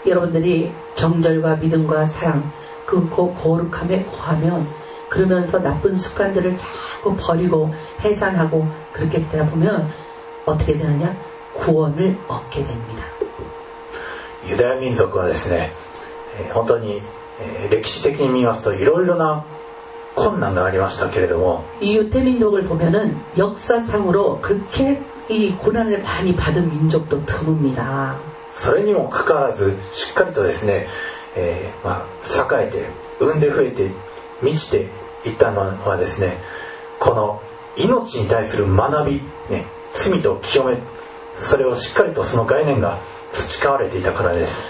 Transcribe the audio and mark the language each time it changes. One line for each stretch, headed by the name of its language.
Korean: 여러분들이정절과믿음과사랑그거룩함에거하면그러면서나쁜습관들을자꾸버리고해산하고그렇게되다보면어떻게되느냐구원을얻게됩니다 유대민족은
Japanese: ですね本当に歴史的に見ますといろいろな困難がありましたけれども
Korean: 이유대민족을보면은역사상으로그렇게이고난을많이받은민족도드뭅니다
Japanese: それにもかかわらずしっかりとですね、まあ、栄えて産んで増えて満ちていったのはですねこの命に対する学び、ね、罪と清めそれをしっかりとその概念が培われていたからです。